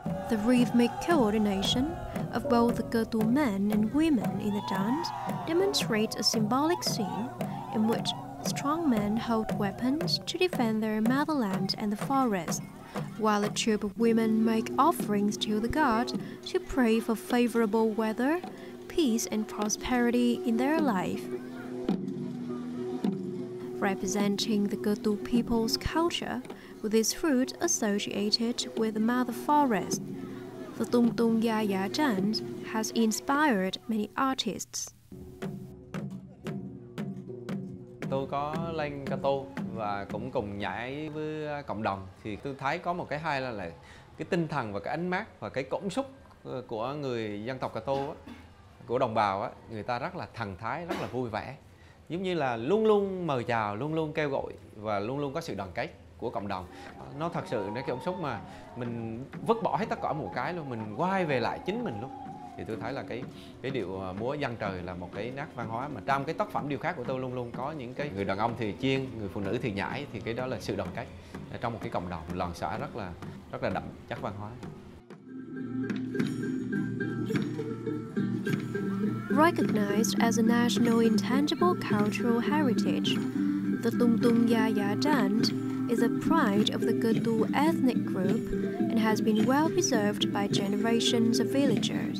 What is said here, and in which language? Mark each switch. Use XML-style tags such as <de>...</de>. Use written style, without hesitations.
<en>The rhythmic coordination of both the Cơtu men and women in the dance demonstrates a symbolic scene in which strong men hold weapons to defend their motherland and the forest, while a troop of women make offerings to the god to pray for favorable weather, peace and prosperity in their life. Representing the Cơtu people's culture, with its fruit associated with the mother forest, the Tung Tung Ya Ya dance has inspired many artists.</en> <vi>Tôi có lên Cơtu và cũng cùng nhảy với cộng đồng, thì tôi thấy có một cái hay là cái tinh thần và cái ánh mắt và cái cảm xúc của người dân tộc Cơtu, của đồng bào á, người ta rất là thần thái, rất là vui vẻ, giống như là luôn luôn mời chào, luôn luôn kêu gọi và luôn luôn có sự đoàn kết của cộng đồng. Nó thật sự nó cái cảm xúc mà mình vứt bỏ hết tất cả một cái luôn, mình quay về lại chính mình luôn. Thì tôi thấy là cái điệu múa dân trời là một cái nét văn hóa mà trong cái tác phẩm điều khác của tôi luôn luôn có những cái người đàn ông thì chiêng, người phụ nữ thì nhảy, thì cái đó là sự đoàn kết trong một cái cộng đồng làng xã rất là đậm chất văn hóa.</vi> <en>Recognized as a national intangible cultural heritage, the Tung Tung Ya Ya dance is a pride of the Cơtu ethnic group and has been well preserved by generations of villagers.</en>